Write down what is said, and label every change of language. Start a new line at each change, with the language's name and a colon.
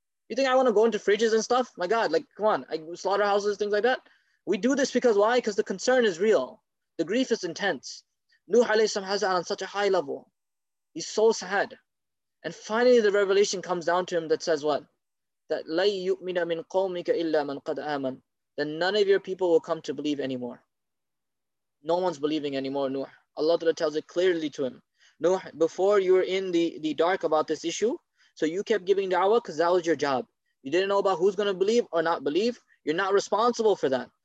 English: You think I want to go into fridges and stuff? My God, like, come on. Slaughterhouses, things like that. We do this because why? Because the concern is real. The grief is intense. Nuh alayhi salam has that on such a high level. He's so sad. And finally, the revelation comes down to him that says what?
Arabic: That لَا يُؤْمِنَ مِنْ قَوْمِكَ إِلَّا مَنْ قَدْ آمَنَ.
English: That none of your people will come to believe anymore. No one's believing anymore, Nuh. Allah Ta'ala tells it clearly to him. Nuh, before you were in the dark about this issue, so you kept giving da'wah because that was your job. You didn't know about who's going to believe or not believe. You're not responsible for that.